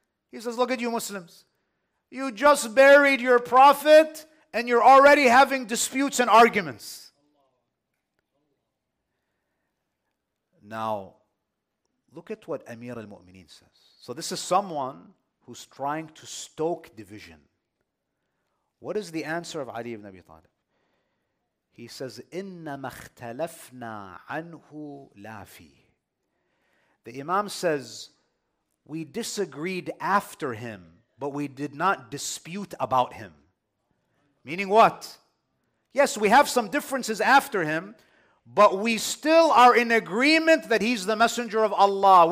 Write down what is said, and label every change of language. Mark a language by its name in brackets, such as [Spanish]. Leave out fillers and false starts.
[English] He says, "Look at you Muslims. You just buried your prophet and you're already having disputes and arguments." Now, look at what Amir al-Mu'mineen says. So this is someone who's trying to stoke division. What is the answer of Ali ibn Abi Talib? He says, [Arabic] إِنَّمَا اخْتَلَفْنَا عَنْهُ لَا فِيهِ. [English] The Imam says, we disagreed after him, but we did not dispute about him. Meaning what? Yes, we have some differences after him, but we still are in agreement that he's the messenger of Allah.